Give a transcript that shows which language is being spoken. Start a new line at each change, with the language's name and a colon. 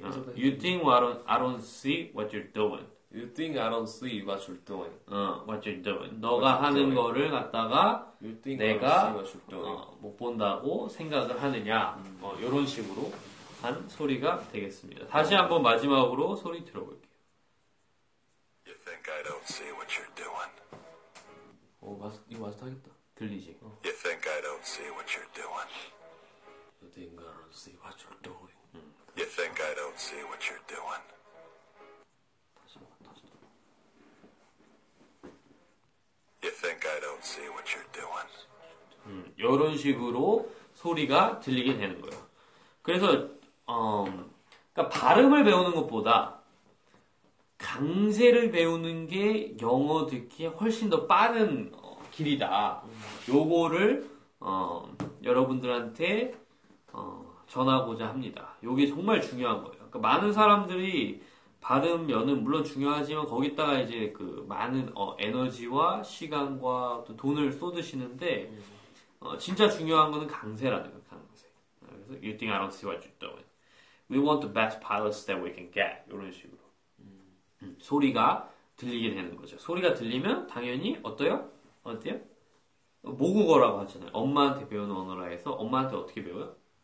English: You think I don't see what you're doing. You think I don't see what you're doing. What you're doing.
Korean: 너가
English: you're
Korean: 하는
English: doing.
Korean: 거를 갖다가
English: you think
Korean: 내가 못 본다고 생각을 하느냐. 이런 식으로 한 소리가 되겠습니다. 다시 한번 마지막으로 소리 들어볼게요.
English: You think I don't see what you're doing.
Korean: 이거 마스터하겠다. 들리지?
English: You think I don't see what you're doing. You think I don't see what you're doing. You think I don't see what you're doing. You think I don't see what you're doing.
Korean: 이런 식으로 소리가 들리게 되는 거예요. 그래서 그러니까 발음을 배우는 것보다 강세를 배우는 게 영어 듣기에 훨씬 더 빠른 길이다. 요거를 여러분들한테 전하고자 합니다. 요게 정말 중요한 거예요. 그러니까 많은 사람들이 발음 면은 물론 중요하지만 거기다가 이제 그 많은 에너지와 시간과 또 돈을 쏟으시는데 진짜 중요한 거는 강세라는 거 강세.
English: 그래서 You think I don't see what you're doing. We want the best pilots that we can get.
Korean: 이런 식으로 소리가 들리게 되는 거죠. 소리가 들리면 당연히 어때요? 모국어라고 하잖아요. 엄마한테 배우는 언어라 해서 엄마한테 어떻게 배워요?